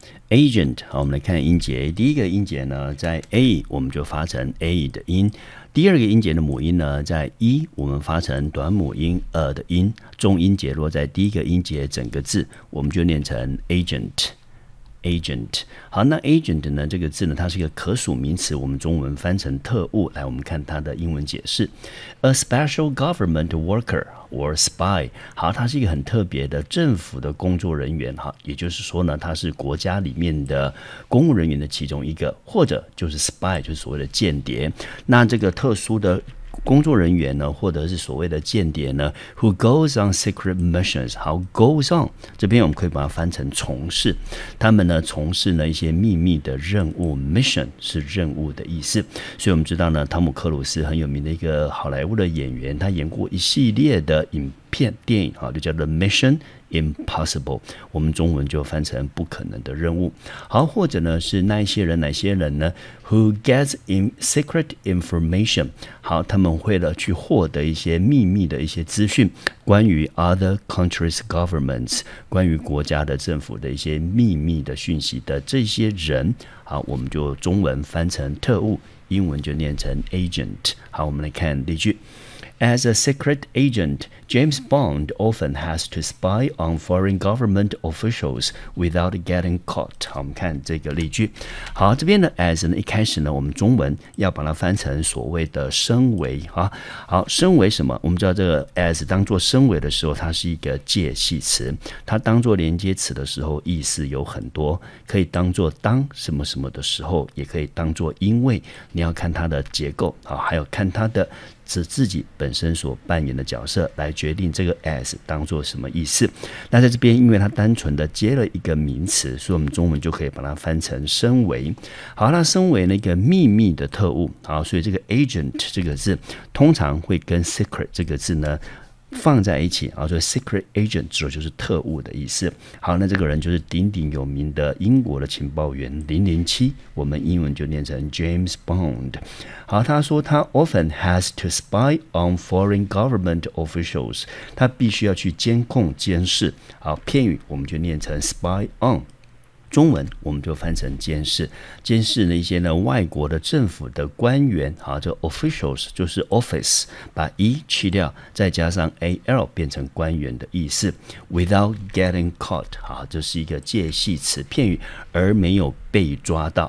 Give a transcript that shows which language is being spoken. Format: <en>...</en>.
<zh>agent， 好，我们来看音节。第一个音节呢，在 a 我们就发成 a 的音。第二个音节的母音呢，在 e 我们发成短母音 e 的音。重音节落在第一个音节，整个字我们就念成 agent。 agent， 好，那 agent 呢这个字呢，它是一个可数名词，我们中文翻成特务。来，我们看它的英文解释 ：</zh> <en>a special government worker or spy。</en> <zh>好，它是一个很特别的政府的工作人员，哈，也就是说呢，它是国家里面的公务人员的其中一个，或者就是 spy， 就是所谓的间谍。那这个特殊的工作人员呢，或者是所谓的间谍呢 ，</zh> <en>who goes on secret missions，</en> <zh>好 ，goes on， 这边我们可以把它翻成从事，他们呢从事呢一些秘密的任务 ，mission 是任务的意思，所以我们知道呢，汤姆克鲁斯很有名的一个好莱坞的演员，他演过一系列的电影啊，就叫做 Mission Impossible， 我们中文就翻成不可能的任务。好，或者呢是那些人，哪些人呢 ？</zh> <en>Who gets in secret information？</en> <zh>好，他们为了去获得一些秘密的一些资讯，关于</zh> <en>other countries' governments，</en> <zh>关于国家的政府的一些秘密的讯息的这些人，好，我们就中文翻成特务，英文就念成 agent。好，我们来看例句。</zh> <en>As a secret agent, James Bond often has to spy on foreign government officials without getting caught.</en> <zh>好，我们看这个例句。好，这边呢 ，as 呢，一开始呢，我们中文要把它翻成所谓的身为啊。好，身为什么？我们知道这个 as 当作身为的时候，它是一个介系词。它当作连接词的时候，意思有很多，可以当作当什么什么的时候，也可以当作因为。你要看它的结构啊，还有看它的。是自己本身所扮演的角色来决定这个 as 当作什么意思。那在这边因为它单纯的接了一个名词，所以我们中文就可以把它翻成身为。好，那身为那个秘密的特务，好，所以这个 agent 这个字通常会跟 secret 这个字呢放在一起，所以</zh> <en>secret agent</en> <zh>指的就是特务的意思。好，那这个人就是鼎鼎有名的英国的情报员007，我们英文就念成 James Bond。好，他说他</zh> <en>often has to spy on foreign government officials，</en> <zh>他必须要去监控监视。好，片语我们就念成 spy on，中文我们就翻成监视，监视了一些呢外国的政府的官员，好，这 officials 就是 office， 把 e 去掉，再加上 al 变成官员的意思。</zh> <en>Without getting caught，</en> <zh>好，这是一个介系词片语，而没有被抓到。</zh>